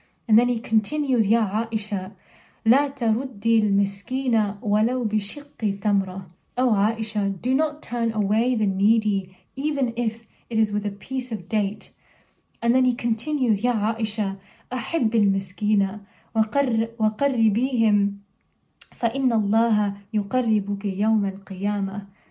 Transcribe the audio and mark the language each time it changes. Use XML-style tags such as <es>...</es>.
<en>And then he continues,</en> <ar>يَا عَائِشَ لَا تَرُدِّي الْمِسْكِينَ وَلَوْ بِشِقِّ تَمْرَةٍ.</ar> <en>O Aisha, do not turn away the needy, even if it is with a piece of date. And then he continues,</en> <ar>يَا عَائِشَ أَحِبِّ الْمِسْكِينَ وَقَرِّبِيهِمْ فَإِنَّ اللَّهَ يُقَرِّبُكِ يَوْمَ الْقِيَامَةِ.</ar>